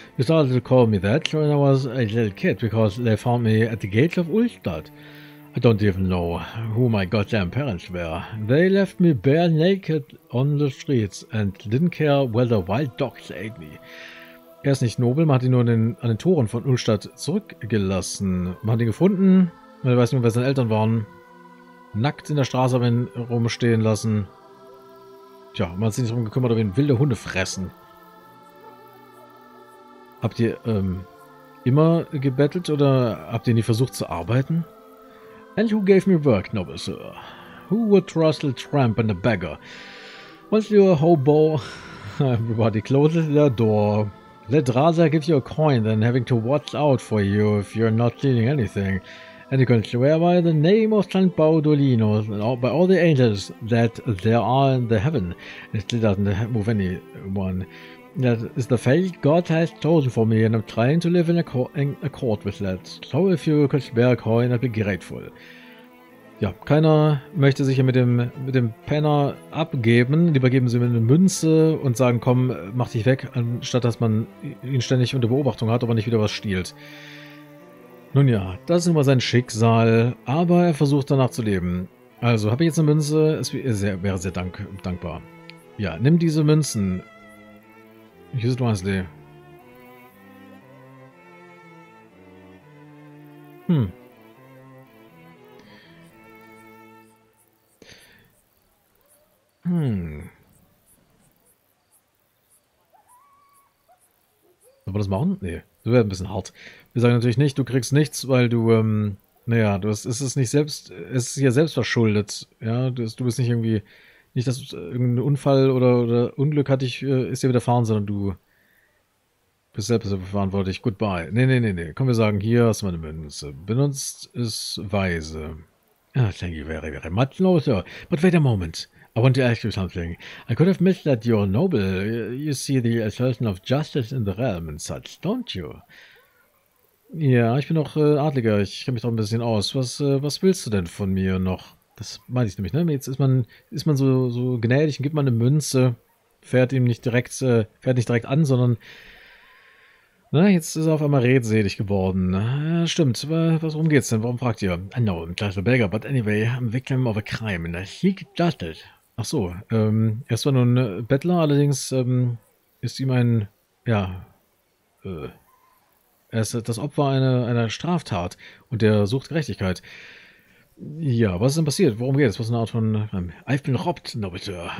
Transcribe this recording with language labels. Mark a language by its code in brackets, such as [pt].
[en] You started to call me that when I was a little kid, because they found me at the gates of Ullstadt. I don't even know who my goddamn parents were. They left me bare naked on the streets and didn't care whether wild dogs ate me. [de] Er ist nicht Nobel, man hat ihn nur an den Toren von Ullstadt zurückgelassen. Man hat ihn gefunden, man weiß nicht mehr, wer seine Eltern waren. Nackt in der Straße haben ihn rumstehen lassen. Tja, man hat sich nicht darum gekümmert, ob ihn wilde Hunde fressen. Habt ihr immer gebettelt oder habt ihr nie versucht zu arbeiten? [en] And who gave me work, noble sir? Who would trust a tramp and a beggar? Once you're a hobo, everybody closes their door. They'd rather give you a coin than having to watch out for you if you're not stealing anything. And you can swear by the name of St. Baudolino and by all the angels that there are in the heaven. It still doesn't move anyone. That is the fate God has chosen for me, and I'm trying to live in accord with that. So if you could spare a coin, I'd be grateful. [de] Ja, keiner möchte sich ja mit dem Penner abgeben. Lieber geben sie mir eine Münze und sagen, komm, mach dich weg, anstatt dass man ihn ständig unter Beobachtung hat, ob er nicht wieder was stiehlt. Nun ja, das ist immer sein Schicksal, aber er versucht danach zu leben. Also, habe ich jetzt eine Münze? Es wäre sehr dankbar. Ja, nimm diese Münzen. [en] Use it wisely. [de] Sollen wir das machen? Nee, das wäre ein bisschen hart. Wir sagen natürlich nicht, du kriegst nichts, weil du, naja, du hast, ist es nicht selbst, es ist ja selbst verschuldet. Ja, du bist nicht irgendwie, nicht, dass irgendein Unfall oder Unglück hat dich, ist dir widerfahren, sondern du bist selbst verantwortlich. Goodbye. Nee. Komm, wir sagen, hier hast du meine Münze. Benutzt ist weise. [en] Ah, thank you very, very much, no, sir. But wait a moment. I want to ask you something. I could have missed that you're noble. You see the assertion of justice in the realm and such, don't you? [de] Ja, ich bin auch Adliger. Ich kenne mich doch ein bisschen aus. Was willst du denn von mir noch? Das meine ich nämlich, ne? Jetzt ist man so gnädig und gibt man eine Münze, fährt nicht direkt an, sondern na, jetzt ist er auf einmal redselig geworden. Stimmt, worum geht's denn? Warum fragt ihr? [en] I know, I'm just a beggar, but anyway, I'm victim of a crime and I seek justice. [de] Ach so, er ist zwar nur ein Bettler, allerdings ist ihm ein, ja, er ist das Opfer einer Straftat und er sucht Gerechtigkeit. Ja, was ist denn passiert? Worum geht es? Was ist eine Art von, [en] I've been robbed, noble sir.